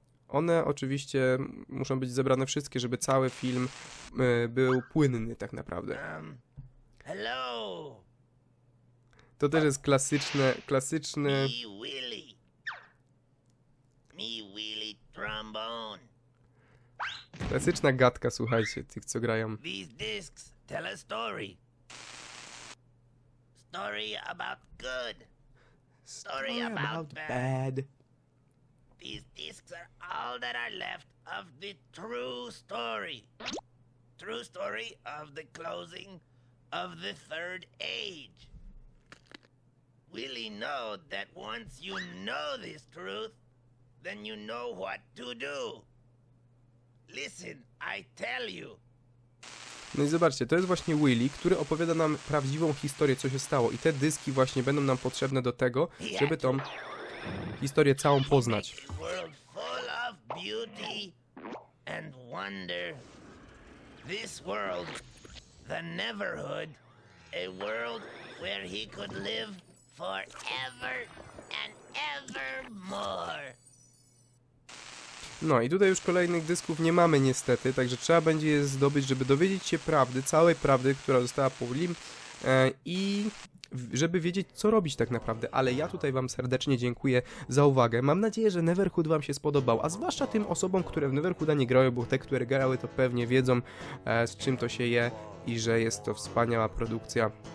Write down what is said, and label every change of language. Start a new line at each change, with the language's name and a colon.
Polish: One oczywiście muszą być zebrane wszystkie, żeby cały film był płynny tak naprawdę.
English: Hello!
Polish: To też jest klasyczne...
English: Me Willy Trombone.
Polish: Klasyczna gadka, słuchajcie, tych co grają.
English: These discs tell a story. Story about good. Story about bad. These discs are all that are left of the true story. True story of the closing of the third age. Willie know that once you know this truth, then you know what to do. Listen, I tell you.
Polish: No i zobaczcie, to jest właśnie Willie, który opowiada nam prawdziwą historię, co się stało. I te dyski właśnie będą nam potrzebne do tego, żeby tą historię całą poznać.
English: World full of beauty and wonder. This world, the Neverhood, a world where he could live forever and evermore.
Polish: No i tutaj już kolejnych dysków nie mamy niestety, także trzeba będzie je zdobyć, żeby dowiedzieć się prawdy, całej prawdy, która została po Willim, i żeby wiedzieć, co robić tak naprawdę. Ale ja tutaj wam serdecznie dziękuję za uwagę. Mam nadzieję, że Neverhood wam się spodobał, a zwłaszcza tym osobom, które w Neverhooda nie grały, bo te, które grały, to pewnie wiedzą, z czym to się je i że jest to wspaniała produkcja.